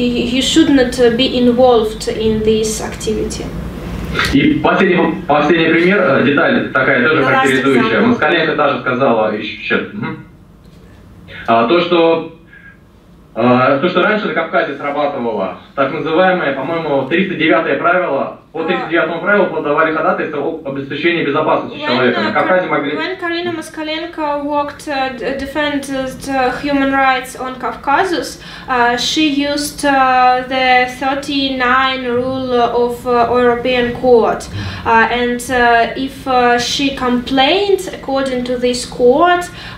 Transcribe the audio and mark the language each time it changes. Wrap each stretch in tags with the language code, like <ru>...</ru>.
<en>You should not be involved in this activity.</en> <ru>И последний пример, деталь такая тоже характеризующая. Москаленко даже сказала еще. То, что раньше на Кавказе срабатывало, так называемое, по-моему, 309-е правило, по 309-му правилу подавали ходатайство о обеспечении безопасности человека. На Кавказе могли...</ru> <en>When Karina Moskalenko worked, defended human rights on Caucasus, she used the 39 rule of European court. And if she complained according to this court,</en>